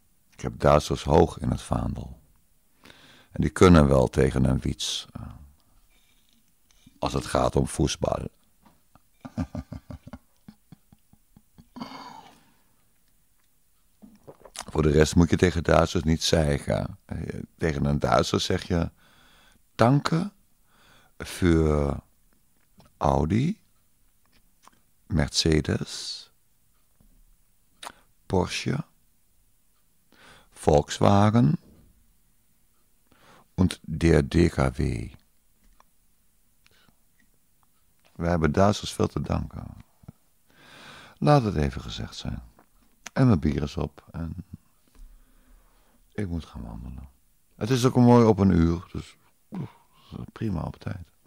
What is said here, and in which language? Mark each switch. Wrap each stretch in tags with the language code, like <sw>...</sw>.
<nl>Ik heb Duitsers hoog in het vaandel. En die kunnen wel tegen een wiets. Als het gaat om voetbal. Voor de rest moet je tegen Duitsers niet zeggen. Tegen een Duitser zeg je...</nl> <de>Danke für Audi, Mercedes, Porsche, Volkswagen und der DKW.</de> <nl>We hebben Duitsers veel te danken. Laat het even gezegd zijn. En mijn bier is op. En ik moet gaan wandelen. Het is ook mooi op een uur, dus... Prima op tijd.</nl>